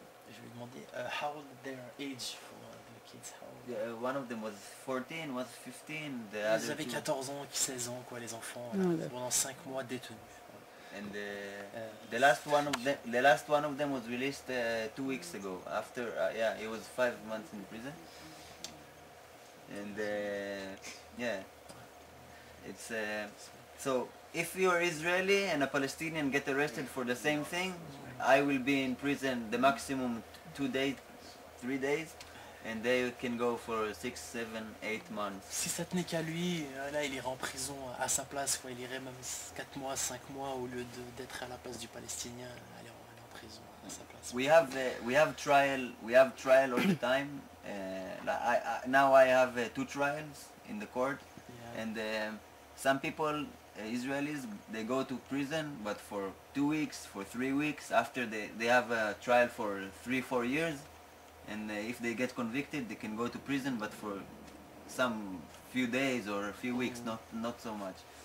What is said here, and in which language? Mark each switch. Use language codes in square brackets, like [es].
[fr] Je lui ai demandé, [en] how old their age for the kids, how old? Yeah, one of them was 14, was 15. The [fr] ils avaient 14 ans, 16 ans, quoi, les enfants, pendant 5 mois détenus. [en] And the last one of them was released 2 weeks ago. After it was 5 months in prison. And so if you are Israeli and a Palestinian get arrested for the same thing, I will be in prison the maximum 2 days, 3 days, and they can go for 6, 7, 8 months. [fr] Si ça tenait qu'à lui, là il irait en prison à sa place, quoi, il irait même 4 mois, 5 mois au lieu d'être à la place du Palestinien, aller en prison à sa place. [en] We have trial all the time. I have 2 trials in the court, and some people, Israelis, they go to prison, but for 2 weeks, for 3 weeks, after they have a trial for 3, 4 years, and if they get convicted, they can go to prison, but for some few days or a few weeks, not so much.